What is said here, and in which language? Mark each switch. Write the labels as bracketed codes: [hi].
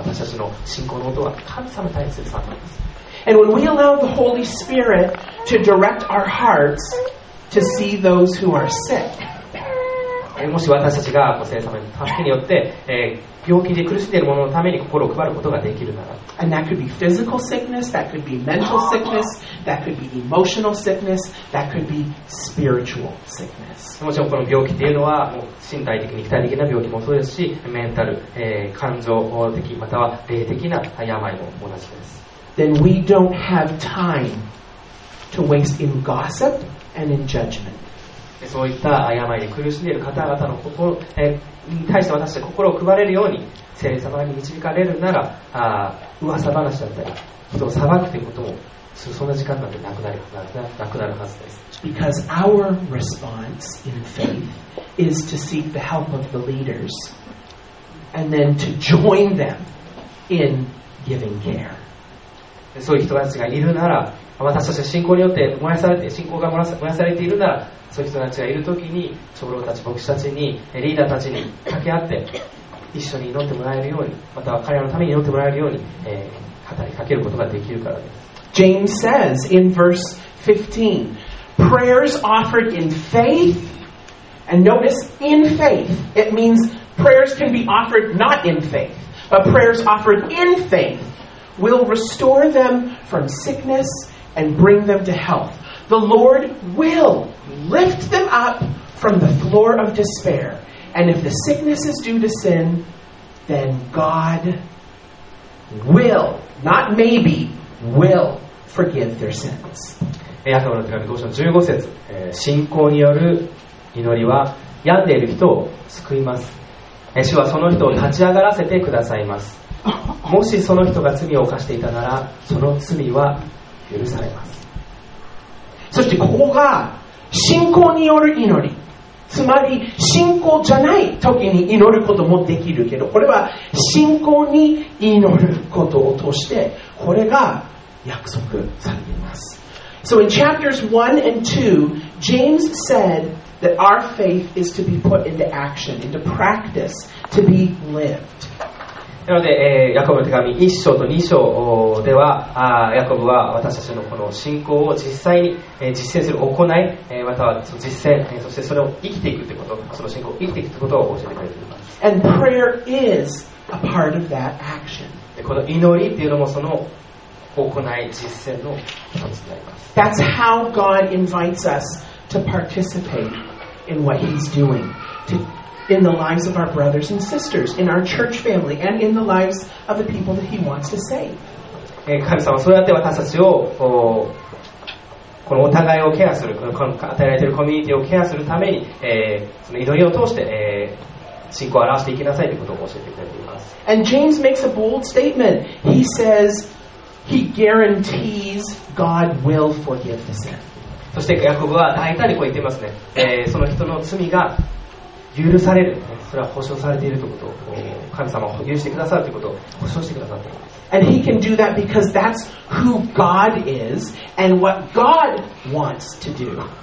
[ja] 私たちの信仰の音は神様に対する賛美です。 [en] And when we allow the Holy Spirit to direct our hearts to see those who are sick, [ja] もし私たちがご聖様の助けによって、病気で苦しんでいる者のために心を配ることができるなら、 [en] And that could be physical sickness, that could be mental sickness, that could be emotional sickness, that could be spiritual sickness. [ja] もちろんこの病気というのはもう身体的、肉体的な病気もそうですし、メンタル、感情的、または霊的な病も同じです。 [en] Then we don't have time to waste in gossip and in judgment. [ja] そういった病で苦しんでいる方々の心に対して私たち心を配れるように聖霊様に導かれるなら、噂話だったり人を裁くということもそんな時間なんてなくなるはずです。 [en] Because our response in faith is to seek the help of the leaders and then to join them in giving care. [ja] そういう人たちがいるなら、私たちは信仰によって燃やされて、信仰が燃やされているなら、そういう人たちがいるときに長老たち、牧師たちに、リーダーたちに掛け合って一緒に祈ってもらえるように、または彼らのために祈ってもらえるように、語りかけることができるからです。 [en] James says in verse 15 prayers offered in faith, and notice in faith, it means prayers can be offered not in faith, but prayers offered in faith will restore them from sickness and bring them to health. The Lord willLift them up from the floor of despair. And if the sickness is due to sin, then God will, not maybe, will forgive their sins. [ja] ヤコブの手紙5章15節、信仰による祈りは病んでいる人を救います。主はその人を立ち上がらせてくださいます。もしその人が罪を犯していたなら、その罪は許されます。そしてここが信仰による祈り、つまり信仰じゃない時に祈ることもできるけど、これは信仰に祈ることを通してこれが約束されています。 [en] So in chapters 1 and 2 James said that our faith is to be put into action, into practice, to be lived. [ja] なので、ヤコブの手紙1章と2章では、ヤコブは私たちのこの信仰を実際に実践する行い、または実践、そしてそれを生きていくということ、その信仰を生きていくということを教えてくれています。 [en] And prayer is a part of that action. [ja] この祈りというのもその行い、実践の一つになります。 [en] That's how God invites us to participate in what He's doing in the lives of our brothers and sisters, in our church family, and in the lives of the people that He wants to save. [ja] 神様はそうやって私たちをこのお互いをケアする、この与えられているコミュニティをケアするために、その祈りを通して、信仰を表していきなさいということを教えてくれています。 [en] And James makes a bold statement. He says he guarantees God will forgive the sin. [ja] そしてヤコブは大胆にこう言っていますね。その人の罪が許されるそれは保証されているということを神様が許してくださるということを保証してくださっています [en] And he can do that because that's who God is and what God wants to do